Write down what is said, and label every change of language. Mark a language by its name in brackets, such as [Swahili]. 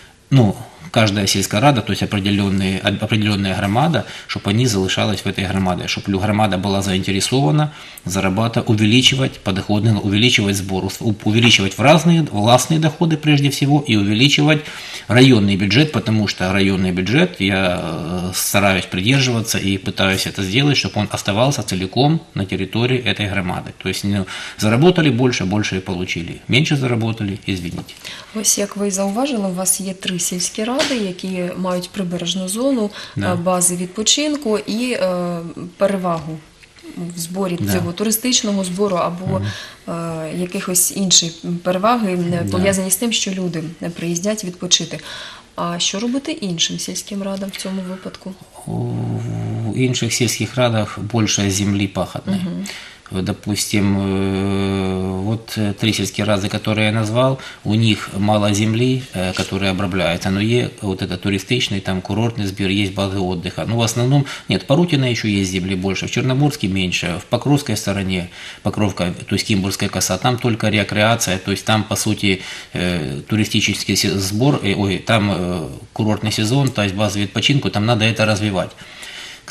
[Russian] ну, каждая сельская рада, то есть определенная громада, чтобы они залишались в этой громаде, чтобы громада была заинтересована зарабатывать, увеличивать подоходный, увеличивать сбор, увеличивать властные доходы прежде всего и увеличивать районный бюджет, потому что районный бюджет я стараюсь придерживаться и пытаюсь это сделать, чтобы он оставался целиком на территории этой громады. То есть ну, заработали больше и получили. Меньше заработали, извините. [Ukrainian] Ось, як ви зауважили, у вас є 3 сільські ради, які мають прибережну зону, бази відпочинку і перевагу в зборі цього туристичного збору або якихось інших переваги, пов'язані з тим, що люди приїздять відпочити. А що робити іншим сільським радам в цьому випадку? В інших сільських радах більше землі пахотної. [Russian] Допустим, вот 3 сельские разы, которые я назвал, у них мало земли, которые обрабатываются, но есть вот этот туристичный, там курортный сбор, есть базы отдыха. Но в основном, нет, Парутина еще есть земли больше, в Черноморске меньше, в Покровской стороне, Покровка, то есть Кимбургская коса, там только рекреация, то есть там, по сути, туристический сбор, там курортный сезон, то есть базовый отпочинку, там надо это развивать. К